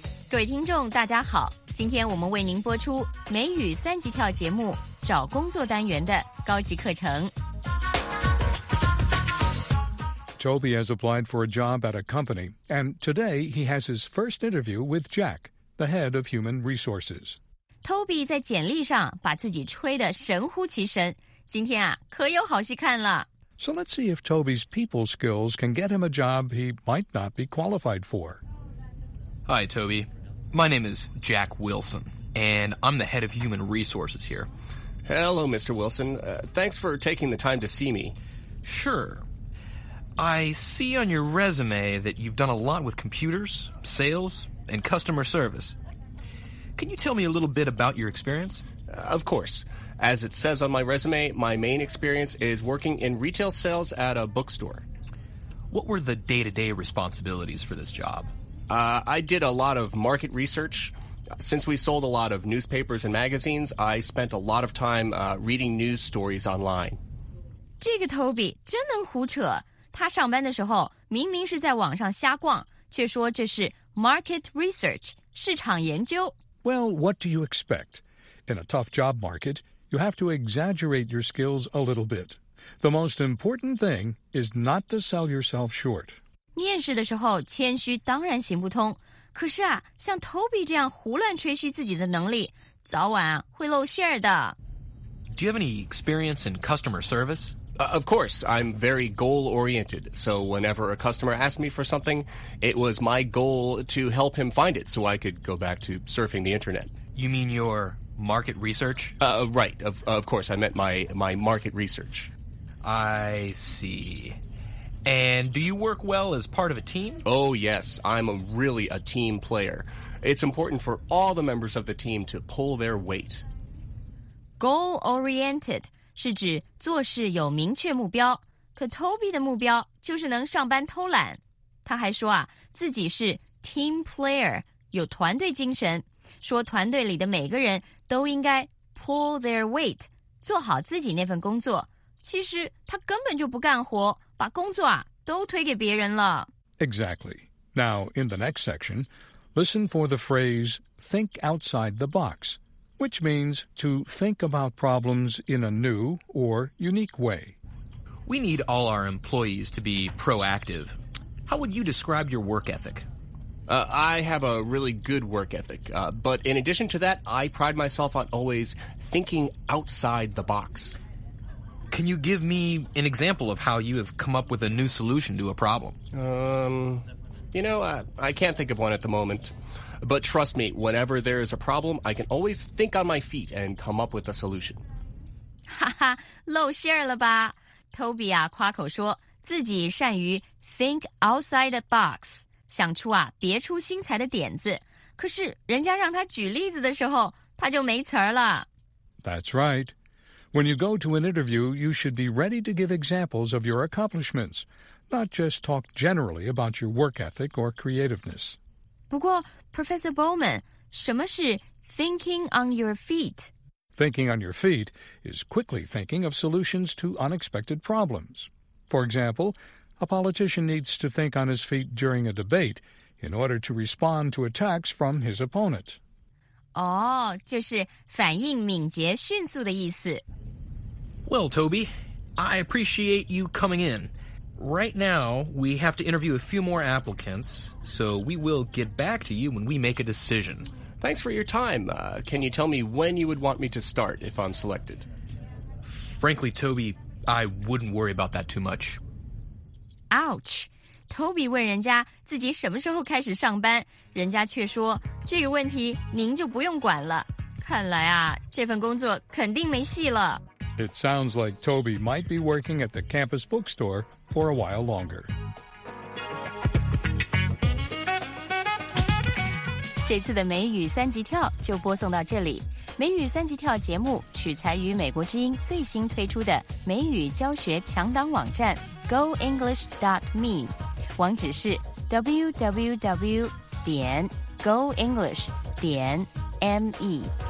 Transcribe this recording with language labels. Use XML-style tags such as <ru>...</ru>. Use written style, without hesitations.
<zh>各位听众大家好，今天我们为您播出美语三级跳节目找工作单元的高级课程。</zh> <en>Toby has applied for a job at a company, and today he has his first interview with Jack, the head of human resources.</en> <zh>Toby 在简历上把自己吹得神乎其神，今天啊，可有好戏看了。</zh> <en>So let's see if Toby's people skills can get him a job he might not be qualified for. Hi, Toby. My name is Jack Wilson, and I'm the head of human resources here. Hello, Mr. Wilson. Thanks for taking the time to see me. Sure. I see on your resume that you've done a lot with computers, sales, and customer service. Can you tell me a little bit about your experience? Of course. As it says on my resume, my main experience is working in retail sales at a bookstore. What were the day-to-day responsibilities for this job? I did a lot of market research. Since we sold a lot of newspapers and magazines, I spent a lot of time reading news stories online.</en> <zh>这个 Toby 真能胡扯。他上班的时候明明是在网上瞎逛，却说这是 market research, 市场研究。</zh> <en>Well, what do you expect? In a tough job market, you have to exaggerate your skills a little bit. The most important thing is not to sell yourself short.</en> <zh>面试的时候谦虚当然行不通，可是啊，像 Toby 这样胡乱吹嘘自己的能力，早晚啊，会露馅儿的。</zh> <en>Do you have any experience in customer service? Of course, I'm very goal-oriented, so whenever a customer asked me for something, it was my goal to help him find it so I could go back to surfing the internet. You mean your market research? Right, of course, I meant my market research. I see. And do you work well as part of a team? Oh, yes, I'm really a team player. It's important for all the members of the team to pull their weight. Goal-oriented.</en> <zh>是指做事有明确目标，可 Toby 的目标就是能上班偷懒。他还说啊，自己是 team player， 有团队精神，说团队里的每个人都应该 pull their weight，做好自己那份工作。其实他根本就不干活，把工作啊都推给别人了。</zh> <en>Exactly. Now, in the next section, listen for the phrase think outside the box. Which means to think about problems in a new or unique way. We need all our employees to be proactive. How would you describe your work ethic? I have a really good work ethic, but in addition to that, I pride myself on always thinking outside the box. Can you give me an example of how you have come up with a new solution to a problem? You know, I can't think of one at the moment. But trust me, whenever there is a problem, I can always think on my feet and come up with a solution.</en> <zh>哈哈，露馅了吧 ？Toby 啊，夸口说自己善于 think outside the box，想出啊别出心裁的点子。可是人家让他举例子的时候，他就没词儿了。</zh> <en>That's right. When you go to an interview, you should be ready to give examples of your accomplishments, not just talk generally about your work ethic or creativeness.</en> <zh>不过 Professor Bowman, 什么是 thinking on your feet?</zh> <en>Thinking on your feet is quickly thinking of solutions to unexpected problems. For example, a politician needs to think on his feet during a debate in order to respond to attacks from his opponent.</en> <zh>哦、oh, ，就是反应敏捷、迅速的意思。</zh> <en>Well, Toby, I appreciate you coming in. Right now, we have to interview a few more applicants, so we will get back to you when we make a decision. Thanks for your time. Can you tell me when you would want me to start if I'm selected? Frankly, Toby, I wouldn't worry about that too much. Ouch!</en> <zh>Toby 问人家自己什么时候开始上班，人家却说这个问题您就不用管了。看来啊，这份工作肯定没戏了。</zh> <en>It sounds like Toby might be working at the campus bookstore for a while longer.</en> <zh>这次的美语三级跳就播送到这里。美语三级跳节目取材于美国之音最新推出的美语教学强档网站 goenglish.me， 网址是 www.goenglish.me。</zh>